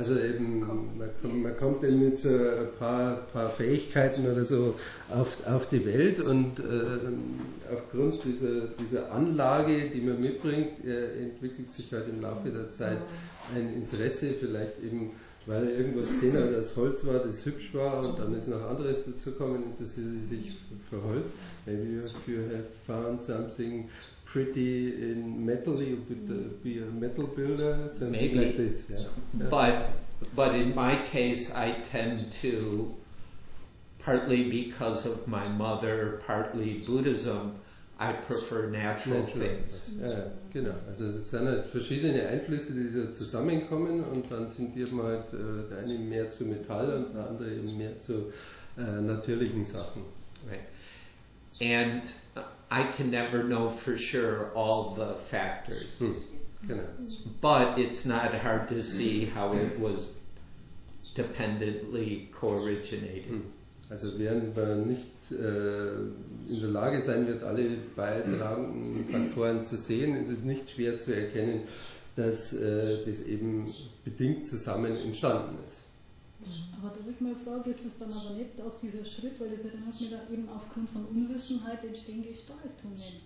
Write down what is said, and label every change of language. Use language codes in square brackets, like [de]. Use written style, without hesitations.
[de] Also eben, man kommt eben mit so ein paar Fähigkeiten oder so auf die Welt und aufgrund dieser Anlage, die man mitbringt, entwickelt sich halt im Laufe der Zeit ein Interesse, vielleicht eben, weil irgendwas gesehen hat, das Holz war, das hübsch war und dann ist noch anderes dazugekommen, interessiert sich für Holz. [en] Maybe if you have found something pretty in metal, you could be a metal builder, something maybe. Like this. Yeah. Yeah. But in my case, I tend to, partly because of my mother, partly Buddhism, I prefer natural things. [de] Ja, genau. Also es sind halt verschiedene Einflüsse, die da zusammenkommen und dann tendiert man halt der eine mehr zu Metall und der andere eben mehr zu natürlichen Sachen. [en] Right. And I can never know for sure all the factors. [de] Hm. Genau. [en] But it's not hard to see how it was dependently co-originated. Hm. [de] Also während man nicht in der Lage sein wird, alle beitragenden Faktoren zu sehen, ist es nicht schwer zu erkennen, dass das eben bedingt zusammen entstanden ist. Aber da würde ich mal fragen, ist das dann aber nicht auch dieser Schritt, weil das ja dann hat mir da eben aufgrund von Unwissenheit entstehen Gestaltungen.